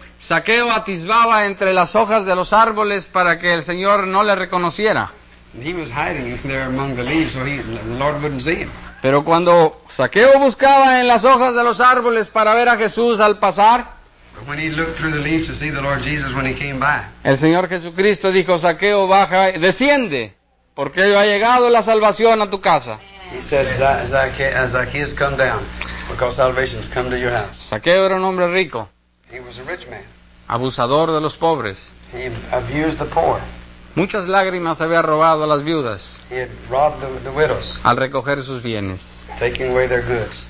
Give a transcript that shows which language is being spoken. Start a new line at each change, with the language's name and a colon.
Spanish: Zaqueo atisbaba entre las hojas de los árboles para que el Señor no le reconociera.
English: He was hiding there among the leaves so the Lord wouldn't see him.
Spanish: Pero cuando Zaqueo buscaba en las hojas de los árboles para ver a Jesús al pasar,
English: when he looked through the leaves to see the Lord Jesus when he came by,
Spanish: el Señor Jesucristo dijo, Zaqueo, baja, desciende, porque ha llegado la salvación a tu casa.
English: He said, Zacchaeus, come down. Because salvation's come to your house.
Spanish: Zaqueo era un hombre rico.
English: He was a rich man.
Spanish: Abusador de los pobres.
English: He abused the poor.
Spanish: Muchas lágrimas había robado a las viudas.
English: He had robbed the widows.
Spanish: Al recoger sus bienes.
English: Taking away their goods.